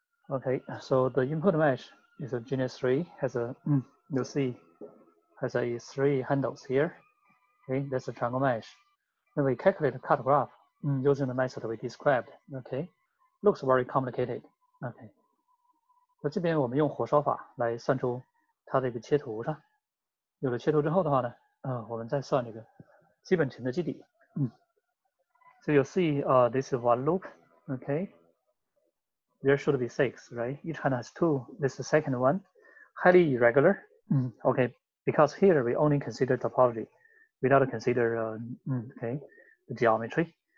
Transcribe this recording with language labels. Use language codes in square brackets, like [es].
[en] Okay, so the input mesh is a genus three, has a, you'll see, has a three handles here. Okay, that's a triangle mesh. Then we calculate a cut graph using the method we described, okay. Looks very complicated, okay. [zh] 这边我们用火烧法来算出它的一个切图上，有了切图之后的话呢，我们再算这个基本群的基底。 [en] So you see, this is one loop, okay. There should be six, right? Each hand has two. This is the second one, highly irregular, okay. Because here we only consider topology, without consider, okay, the geometry.